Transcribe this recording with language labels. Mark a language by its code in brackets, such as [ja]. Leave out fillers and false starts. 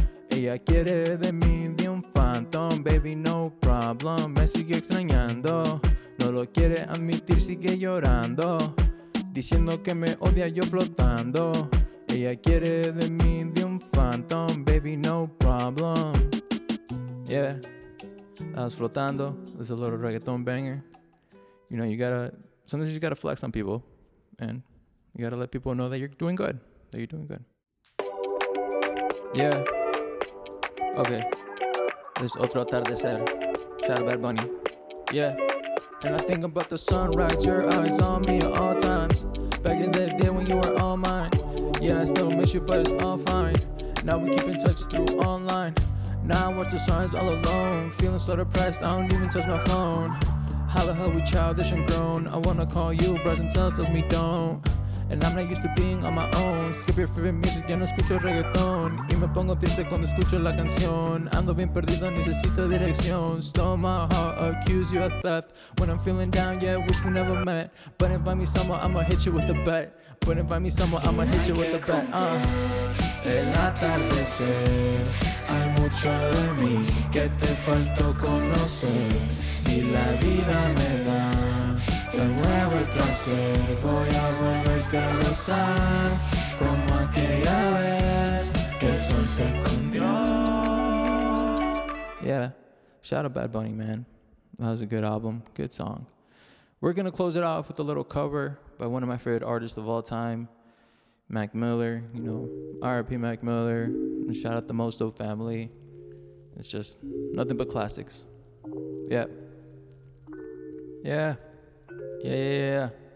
[es] Ella quiere de mí de un phantom, [en] baby no problem. [es] Me sigue extrañando, no lo quiere admitir, sigue llorando, diciendo que me odia yo flotando. Ella quiere de mí de un phantom, [en] baby no problem. Yeah. I was flotando. It's a little reggaeton banger. You know, you gotta, sometimes you gotta flex on people. And you gotta let people know that you're doing good. That you're doing good. Yeah. Okay. There's [es] otro atardecer. [en] Shout out Bad Bunny. Yeah. And I think about the sunrise, your eyes on me at all times. Back in the day when you were all mine. Yeah, I still miss you, but it's all fine. Now we keep in touch through online. Now I watch the signs all alone. Feeling so depressed, I don't even touch my phone. How the hell we childish and grown? I wanna call you, but until it tells me don't. And I'm not used to being on my own. Skip your favorite music, [es] ya no escucho reggaeton. Y me pongo triste cuando escucho la canción. Ando bien perdido, necesito dirección. [en] Stole my heart, accuse you of theft. When I'm feeling down, yeah, wish we never met. But invite me somewhere, I'ma hit you with a bet. But invite me somewhere, I'ma hit you with a bet. [es] El atardecer. Hay mucho de mí que te faltó conocer. Si la vida me da de nuevo el placer, voy a volverte a besar como aquella vez que el sol se escondió. [en] Yeah, shout out Bad Bunny, man. That was a good album, good song. We're gonna close it off with a little cover by one of my favorite artists of all time, Mac Miller. You know, R.I.P. Mac Miller. And shout out the Most Dope family. It's just nothing but classics. Yeah. Yeah. Yeah.